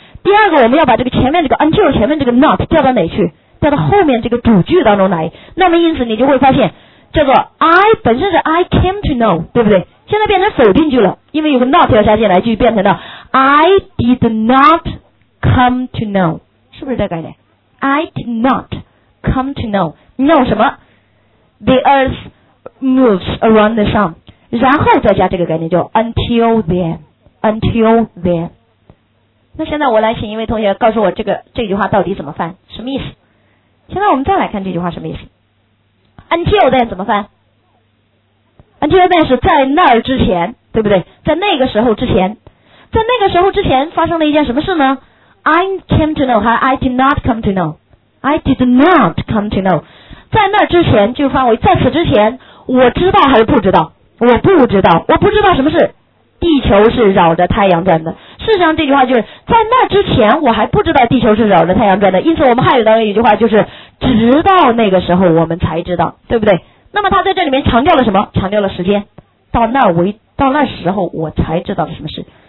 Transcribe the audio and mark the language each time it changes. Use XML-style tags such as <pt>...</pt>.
<zh>第二个，我们要把这个前面这个 until 前面这个 not 调到哪去？调到后面这个主句当中来。那么因此你就会发现叫做 I 本身是</zh> <en>I came to know，</en> <zh>对不对？现在变成否定句了，因为有个 not 要加进来，就变成了</zh> <en>I did not come to know，</en> <zh>是不是这概念？</zh> <en>I did not come to know know</en> <zh>什么？</zh> <en>The earth moves around the sun，</en> <zh>然后再加这个概念叫</zh> <en>until then， until then。</en> <zh>那现在我来请一位同学告诉我这句话到底怎么翻，什么意思？现在我们再来看这句话什么意思。 until then 怎么翻？ until then 是在那儿之前，对不对？在那个时候之前，在那个时候之前发生了一件什么事呢？</zh> <en>I came to know</en> <zh>和</zh> <en>I did not come to know，</en> <zh>I did not come to know，在那之前就范围，在此之前我知道还是不知道？我不知道，我不知道什么是地球是绕着太阳转的。事实上这句话就是在那之前我还不知道地球是绕着太阳转的，因此我们汉语当中一句话就是直到那个时候我们才知道，对不对？那么他在这里面强调了什么？强调了时间，到那为到那时候我才知道了什么事。</zh>